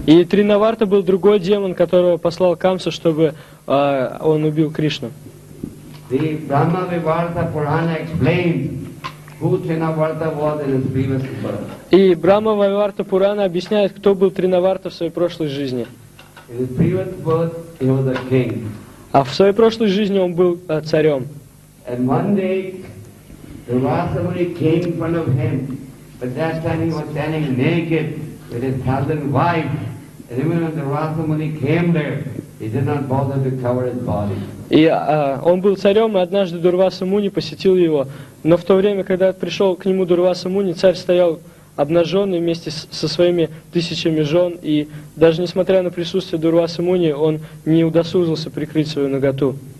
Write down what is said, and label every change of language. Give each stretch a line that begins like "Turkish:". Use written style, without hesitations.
Russian: И Тринаварта был другой демон, которого послал Камса, чтобы он убил Кришну.
English: The Brahma Vivarta Purana explains who Trinavarta was in his previous birth.
Russian: И Брахма Вайварта Пурана объясняет, кто был Тринаварта в своей прошлой жизни.
English: In his previous birth, he was a king.
Russian: А в своей прошлой жизни он был царем.
English: And one day, the Vasavari came in front of him. But that time he was standing naked with his thousand wives. And even when the Vasavari came there, he did not bother to cover his body.
Russian: И он был царем, и однажды Дурваса Муни посетил его. Но в то время, когда пришел к нему Дурваса Муни, царь стоял обнаженный вместе со своими тысячами жен, и даже несмотря на присутствие Дурваса Муни, он не удосужился прикрыть свою наготу.